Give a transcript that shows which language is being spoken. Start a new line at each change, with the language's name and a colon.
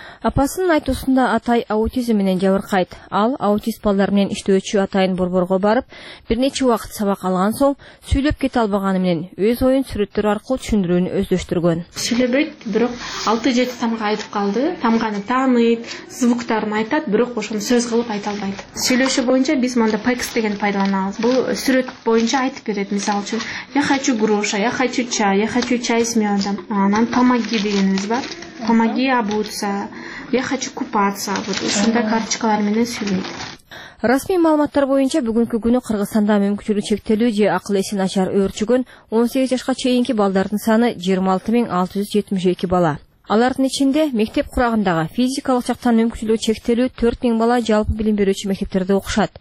Kyrgyz: Апасынын айтуусунда атай аутизм менен жабыркайт. Ал аутист балдар менен иштөөчү атайын борборго барып, бир нече убакыт сабак алган соң сүйлөп кете албаганы менен өз оюн сүрөттөр аркылуу түшүндүрүүнү өздөштүргөн. Сүйлөбөйт, бирок 6-7 тамга айтып калды. Тамганы тааныйт, звуктарын айтат, бирок ошону сөз кылып айта албайт. Сүйлөшү боюнча биз мында пайкс деген пайдаланабыз. Бул сүрөт боюнча айтып берет. Мисалы үчүн,
Russian: я хочу груша, я хочу чай, я хочу чай с мёдом.
Kyrgyz: Анан
Russian: помоги
Kyrgyz: дегенибиз бар.
Russian: Помоги обуться, я хочу купаться.
Kyrgyz: Вот ушундай карточкалар менен сүйлөйт. Расмий маалыматтар боюнча бүгүнкү күнү Кыргызстанда мүмкүнчүлүгү чектелүү же акыл эси начар өөрчүгөн 18 жашка чейинки балдардын саны 26672 бала. Алардын ичинде мектеп курагындагы физикалык жактан мүмкүнчүлүгү чектелүү 4000 бала жалпы билим берүүчү мектептерде окушат.